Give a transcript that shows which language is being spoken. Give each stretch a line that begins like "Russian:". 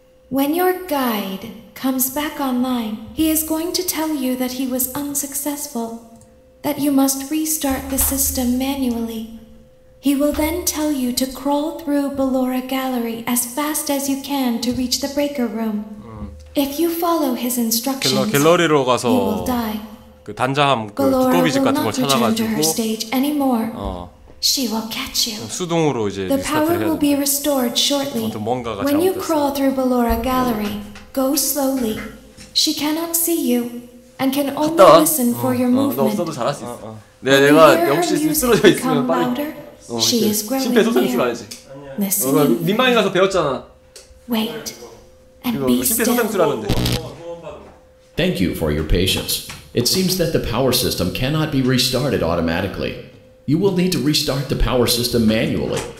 English: When your guide comes back online, he is going to tell you that he was unsuccessful, that you must restart the system manually. He will then tell you to crawl through Ballora Gallery as fast as you can to reach the breaker room. If you follow his instructions,
Korean: 갤러리로 가서 그 단자함 그 두꺼비 집 같은 걸 찾아가지고 수동으로 이제 리스타트를 해야 돼. 뭔가가 잘못됐어. 갔다 와. 나 없어도 잘할 수 있어. 내가 혹시 쓰러져 있으면 빨리 심폐소생술 가야지. 내가 민망히 가서 배웠잖아. 이거 심폐소생술 하는데.
English: Thank you for your patience. It seems that the power system cannot be restarted automatically. You will need to restart the power system manually.